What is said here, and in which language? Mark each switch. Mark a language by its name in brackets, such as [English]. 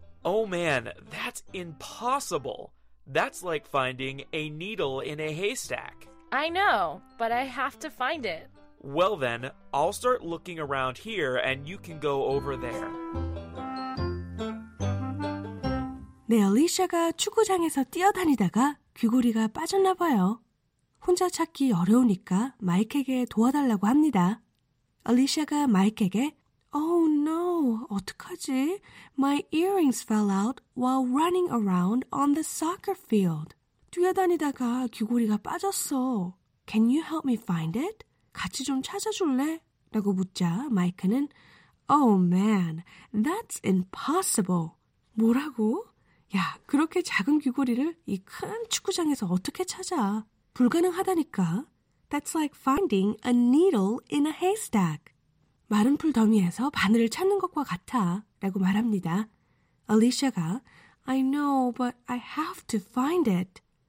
[English] Oh man, that's impossible! That's like finding a needle in a haystack. I know, but I have to find it. Well then, I'll start looking around here and you can go over there. [Korean] 네, 알리샤가 축구장에서 뛰어다니다가 귀걸이가 빠졌나 봐요. 혼자 찾기 어려우니까 마이크에게 도와달라고 합니다. 알리샤가 마이크에게 [English] Oh no, [Korean] 어떡하지? [English] My earrings fell out while running around on the soccer field. [Korean] 뛰어다니다가 귀걸이가 빠졌어. [English] Can you help me find it? [Korean] 같이 좀 찾아줄래? 라고 묻자 마이크는 [English] Oh man, that's impossible. [Korean] 뭐라고? 야, 그렇게 작은 귀걸이를 이 큰 축구장에서 어떻게 찾아? 불가능하다니까. [English] That's like finding a needle in a haystack. [Korean] 마른 풀 더미에서 바늘을 찾는 것과 같아 라고 말합니다. [English] 알리샤가 I know, but I have to find it.